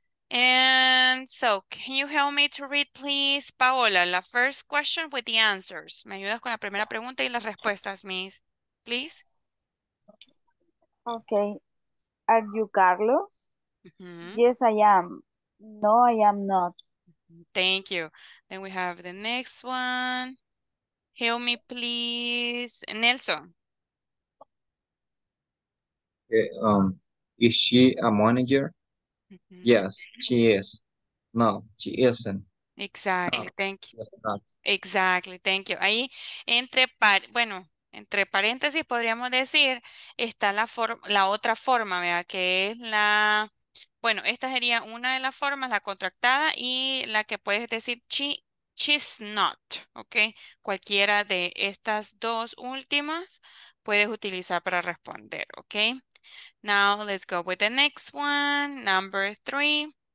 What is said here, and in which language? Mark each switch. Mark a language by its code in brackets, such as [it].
[en] And so, can you help me to read, please, Paola, la first question with the answers. [es] ¿Me ayudas con la primera pregunta y las respuestas, miss? [en] Please. Okay. Are you Carlos? Mm-hmm. Yes, I am. No, I am not. Thank you. Then we have the next one. Help me, please. Nelson. Is she a manager? Mm-hmm. Yes, she is. No, she isn't. Exactly. No, thank you. Exactly. Thank you. [es] Ahí, entre paréntesis podríamos decir, está la otra forma, ¿verdad? Que es la... Bueno, esta sería una de las formas, la contractada, y la que puedes decir, [en] she's not, [es] ¿ok? Cualquiera de estas dos últimas puedes utilizar para responder, ¿ok? [en] Now, let's go with the next one, number three.